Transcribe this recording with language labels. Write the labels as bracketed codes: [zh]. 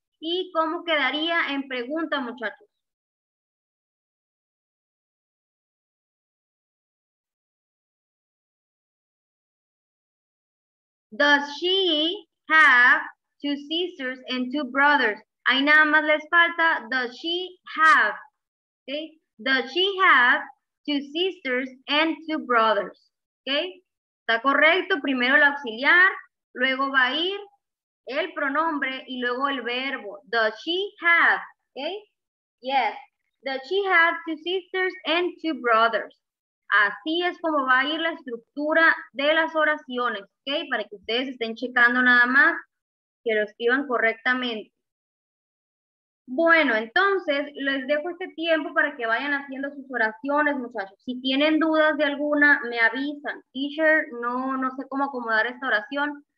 [es] ¿Y cómo quedaría en pregunta, muchachos? [en] Does she have two sisters and two brothers? [es] Ahí nada más les falta, [en] does she have, [es] okay? [en] Does she have two sisters and two brothers, okay? [es] Está correcto, primero el auxiliar, luego va a ir el pronombre y luego el verbo. [en] Does she have, okay? Yes, does she have two sisters and two brothers? [es] Así es como va a ir la estructura de las oraciones, ¿ok? Para que ustedes estén checando nada más, que lo escriban correctamente. Bueno, entonces, les dejo este tiempo para que vayan haciendo sus oraciones, muchachos. Si tienen dudas de alguna, me avisan. Teacher, no sé cómo acomodar esta oración.